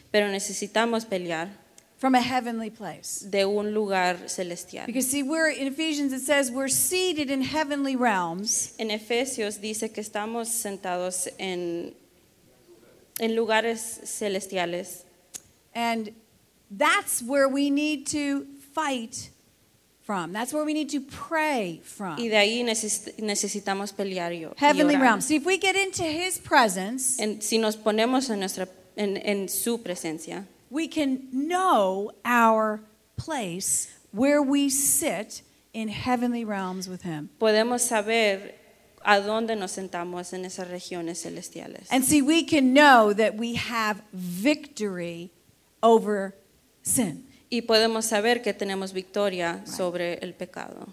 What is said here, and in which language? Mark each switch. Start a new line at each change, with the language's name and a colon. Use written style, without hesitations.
Spanish: Pero necesitamos pelear.
English: From a heavenly place.
Spanish: De un lugar celestial.
English: Because see, we're in Ephesians. It says we're seated in heavenly realms.
Spanish: En Efesios dice que estamos sentados en lugares celestiales.
English: And that's where we need to fight from. That's where we need to pray from.
Spanish: Y de ahí necesitamos pelear y orar.
English: Heavenly realms. See, if we get into His presence.
Spanish: En, si nos ponemos en nuestra en su presencia.
English: We can know our place where we sit in heavenly realms with Him.
Spanish: Podemos saber a dónde nos sentamos en esas regiones celestiales.
English: And see, we can know that we have victory over sin.
Spanish: Y podemos saber que tenemos victoria sobre el pecado.